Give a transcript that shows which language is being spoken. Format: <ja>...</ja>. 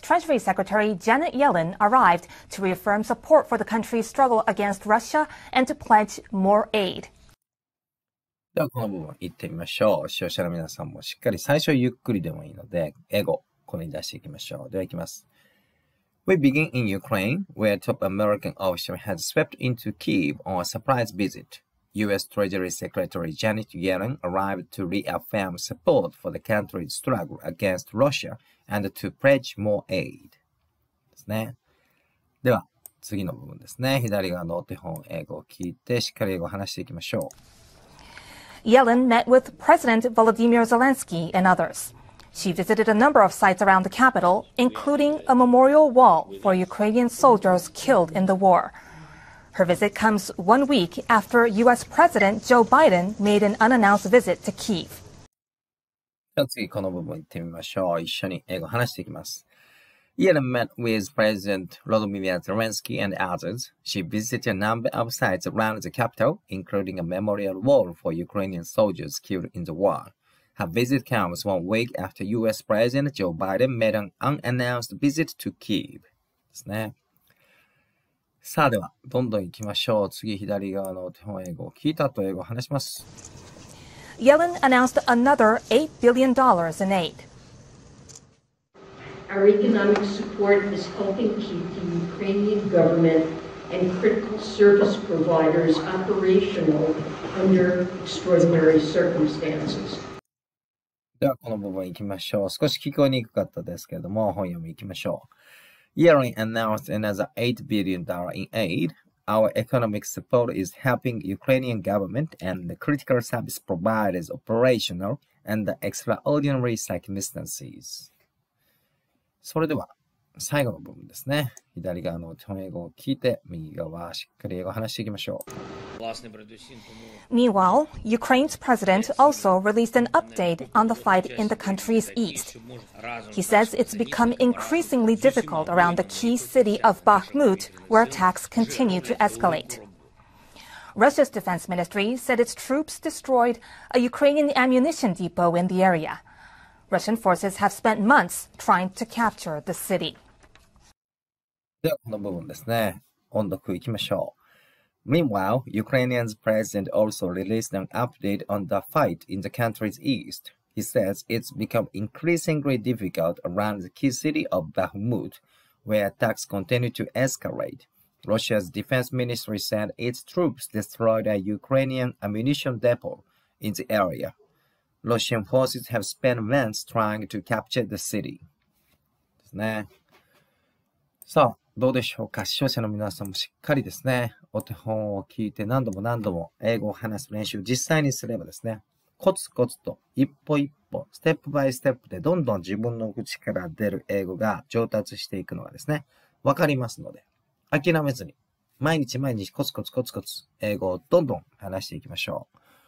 <en>Treasury Secretary Janet Yellen arrived to reaffirm support for the country's struggle against Russia and to pledge more aid.</en> <ja>ではこの部分行ってみましょう。視聴者の皆さんもしっかり最初ゆっくりでもいいので英語ここに出していきましょう。では行きます。</ja> <en>We begin in Ukraine, where top American official has swept into Kyiv on a surprise visit. U.S. Treasury Secretary Janet Yellen arrived to reaffirm support for the country's struggle against Russia and to pledge more aid.</en> <ja>ですね。では次の部分ですね。左側のお手本英語を聞いてしっかり英語を話していきましょう。</ja> <en>Yellen met with President Volodymyr Zelensky and others. She visited a number of sites around the capital, including a memorial wall for Ukrainian soldiers killed in the war. Her visit comes 1 week after U.S. President Joe Biden made an unannounced visit to Kyiv.</en> <ja>次この部分行ってみましょう。一緒に英語話していきます。</ja> <en>Yellen met with President Volodymyr Zelensky and others. She visited a number of sites around the capital, including a memorial wall for Ukrainian soldiers killed in the war. Her visit comes 1 week after U.S. President Joe Biden made an unannounced visit to Kyiv.</en> <ja>ですね。さあでは、どんどん行きましょう。次、左側の手本英語を聞いた後、英語を話します。</ja> <en>Yellen announced another $8 billion in aid. Our economic support is helping keep the Ukrainian government and critical service providers operational under extraordinary circumstances.</en> <ja>ではこの部分行きましょう。少し聞こえにくかったですけれども、本読み行きましょう。</ja> <en>Yellen announced another $8 billion in aid. Our economic support is helping Ukrainian government and the critical service providers operational under extraordinary circumstances.</en> <ja>それでは最後の部分ですね。左側の手本英語を聞いて、右側しっかり英語を話していきましょう。</ja> <en>Meanwhile, Ukraine's president also released an update on the fight in the country's east. He says it's become increasingly difficult around the key city of Bakhmut, where attacks continue to escalate. Russia's defense ministry said its troops destroyed a Ukrainian ammunition depot in the area. Russian forces have spent months trying to capture the city.</en> <ja>ではこの部分ですね。音読いきましょう。</ja> <en>Meanwhile, Ukrainian's president also released an update on the fight in the country's east. He says it's become increasingly difficult around the key city of Bakhmut, where attacks continue to escalate. Russia's defense ministry said its troops destroyed a Ukrainian ammunition depot in the area. Russian forces have spent months trying to capture the city.</en> <ja>ですね。さあ、どうでしょうか。視聴者の皆さんもしっかりですね、お手本を聞いて何度も何度も英語を話す練習を実際にすればですね、コツコツと一歩一歩、ステップバイステップでどんどん自分の口から出る英語が上達していくのがですね、わかりますので、諦めずに、毎日毎日コツコツコツコツ英語をどんどん話していきましょう。</ja>